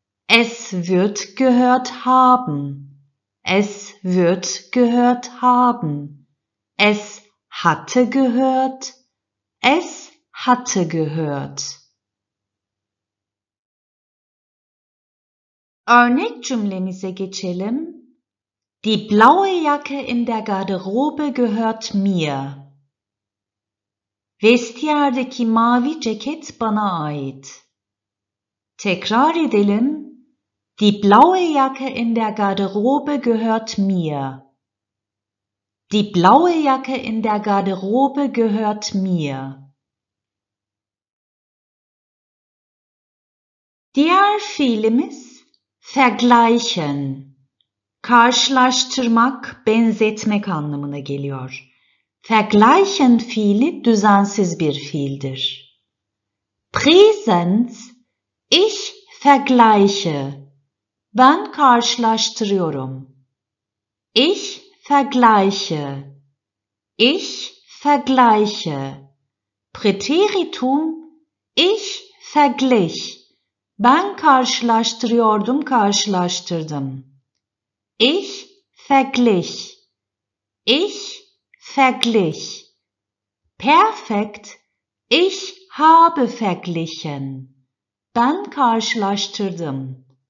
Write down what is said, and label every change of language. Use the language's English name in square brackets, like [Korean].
[German] Es wird gehört haben. Es wird gehört haben. Es hatte gehört. Es hatte gehört. [Turkish] Örnek cümlemize geçelim. [German] Die blaue Jacke in der Garderobe gehört mir. [Turkish] Vestiyerdeki mavi ceket bana ait. Tekrar edelim. [German] Die blaue Jacke in der Garderobe gehört mir. Die blaue Jacke in der Garderobe gehört mir. [Turkish] Diğer fiilimiz vergleichen. Karşılaştırmak, benzetmek anlamına geliyor. Vergleichen fiili düzensiz bir fiildir. [German] Präsens, ich vergleiche. [Turkish] Ben karşılaştırıyorum. [German] Ich vergleiche. Ich vergleiche. Präteritum, ich verglich. [Turkish] Ben karşılaştırıyordum, karşılaştırdım. [German] Ich verglich. Ich verglich. Perfekt. Ich habe verglichen. [Turkish] Ben karşılaştırdım.